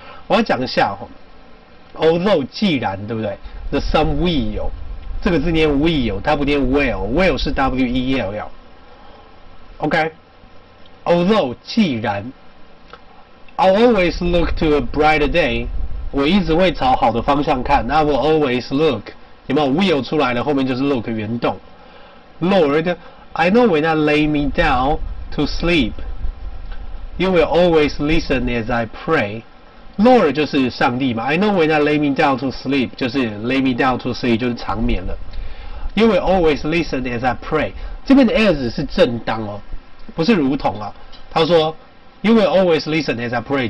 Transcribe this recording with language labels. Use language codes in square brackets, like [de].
[zh] 我要讲一下、哦、Although 既然对不对， [en] The sun will， [zh] 这个字念 will， 它不念 will， will 是 W-E-L-L。 [en] OK， Although 既然， I'll always look to a brighter day， [zh] 我一直会朝好的方向看。 [en] I will always look， [zh] 有没有 will 出来了，后面就是 look 原动。 [en] Lord, I know when I lay me down to sleep, you will always listen as I pray. Lord [zh] 就是上帝嘛。 [en] I know when I lay me down to sleep, 就是 lay me down to sleep, [zh] 就是长眠了。 [en] You will always listen as I pray. [zh] 这边的 as 是正当哦，不是如同啊。他说 [en] ，You will always listen as I pray.